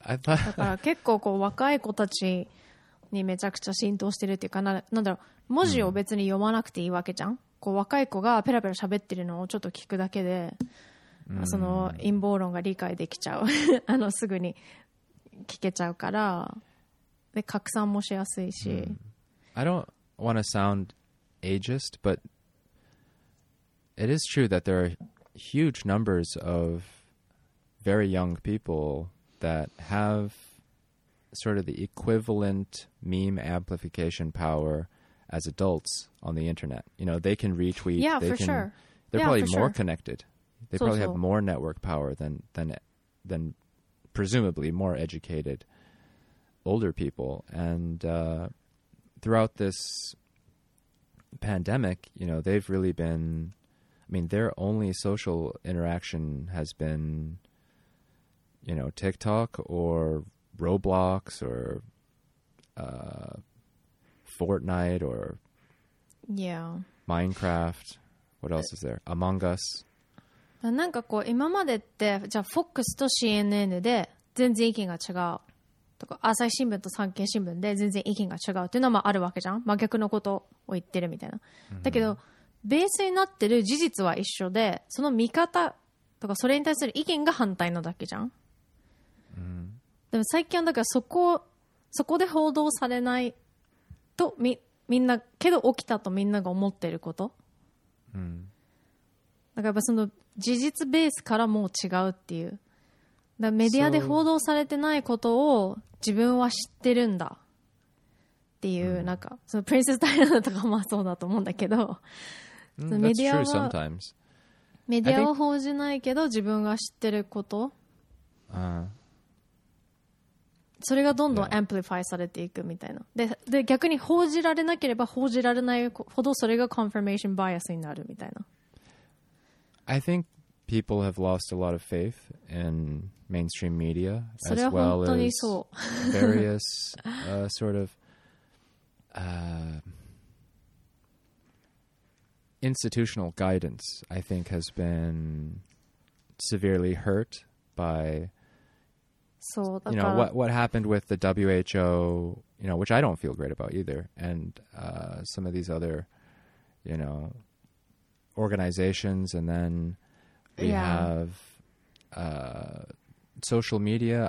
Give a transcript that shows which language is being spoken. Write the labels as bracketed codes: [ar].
[ja] だから結構こう若い子たちにめちゃくちゃ浸透してるっていうか、なんだろう、文字を別に読まなくていいわけじゃん。こう若い子がペラペラ喋ってるのをちょっと聞くだけで。その陰謀論が理解できちゃうすぐに聞けちゃうからで拡散もしやすいし、 [en] I don't want to sound ageist, but it is true that there are huge numbers of very young people that have sort of the equivalent meme amplification power as adults on the internet. You know, they can retweet. Yeah, they for can, sure. They're probably more connected. They probably have more network power than presumably more educated older people. And throughout this pandemic, you know, they've really been, I mean, their only social interaction has been, you know, TikTok or Roblox or Fortnite or Minecraft. What else is there? Among Us. [ja] なんかこう今までってじゃあ FOX と CNN で全然意見が違うとか朝日新聞と産経新聞で全然意見が違うっていうのもあるわけじゃん、真逆のことを言ってるみたいな、mm-hmm. だけどベースになってる事実は一緒で、その見方とかそれに対する意見が反対のだけじゃん、 mm-hmm. でも最近はだからそこで報道されないと みんなけど起きたとみんなが思ってること、 mm-hmm. だからやっぱその事実ベースからもう違うっていう、だメディアで報道されてないことを自分は知ってるんだっていう、なんかそのプリンセスダイアナとかもそうだと思うんだけど、メディアは、 [en] That's true sometimes. [ja] メディアは報じないけど自分が知ってること、それがどんどんアンプリファイされていくみたいな、で逆に報じられなければ報じられないほどそれがコンフィメーションバイアスになるみたいな。 [en] I think people have lost a lot of faith in mainstream media as well as various sort of institutional guidance, I think, has been severely hurt by, you know, what happened with the WHO, you know, which I don't feel great about either, and some of these other, you know, organizations, and then we have social media.